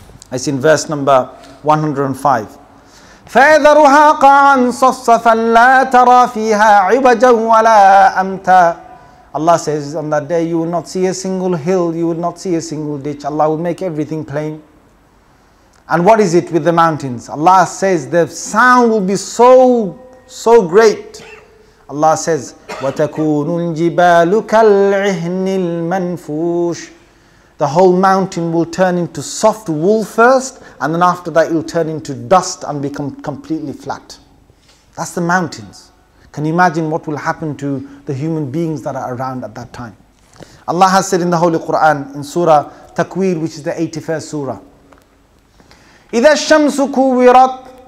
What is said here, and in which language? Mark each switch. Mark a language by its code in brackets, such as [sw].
[en] It's in verse number 105. [ar] فَيَذَرُهَا قَعَنْ صَفَّفًا لَا تَرَى فِيهَا عِبَجًا وَلَا أَمْتَى. [en] Allah says on that day you will not see a single hill, you will not see a single ditch. Allah will make everything plain. And what is it with the mountains? Allah says the sound will be so great. Allah says, [ar] وَتَكُونُ الْجِبَالُ كَالْعِهْنِ الْمَنْفُوشِ. [en] The whole mountain will turn into soft wool first, and then after that it will turn into dust and become completely flat. That's the mountains. Can you imagine what will happen to the human beings that are around at that time? Allah has said in the Holy Quran, in Surah Takwir, which is the 81st Surah, [ar] إِذَا الشَّمْسُ كُوِّرَتْ.